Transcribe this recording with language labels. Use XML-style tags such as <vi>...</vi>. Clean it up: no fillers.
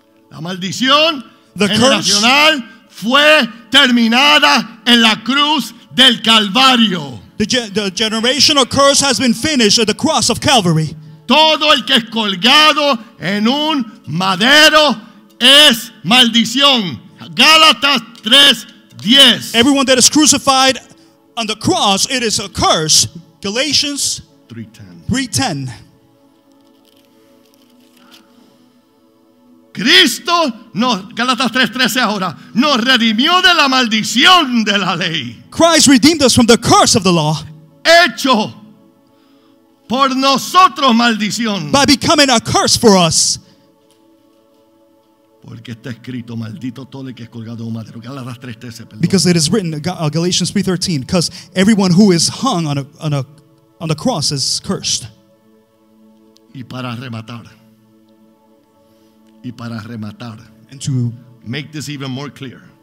<es>La maldición generacional fue terminada en la cruz del Calvario.</es> <en>The generational curse has been finished at the cross of Calvary.</en> <es>Todo el que es colgado en un madero es maldición. Gálatas 3:10.</es> <en>Everyone that is crucified on the cross, it is a curse. Galatians 3:10.</en> <es>Cristo nos, Gálatas 3:13 ahora, nos redimió de la maldición de la ley.</es> <en>Christ redeemed us from the curse of the law.</en> <es>Hecho por nosotros maldición.</es> <en>By becoming a curse for us.</en> <es>Porque está escrito, maldito todo el que es colgado en un madero. Gálatas 3:13, perdón.</es> <en>Because it is written, Galatians 3:13, because everyone who is hung on a cross is cursed.</en> <es>Y para rematar. Y para rematar.</es> <en>And to make this even more clear.</en>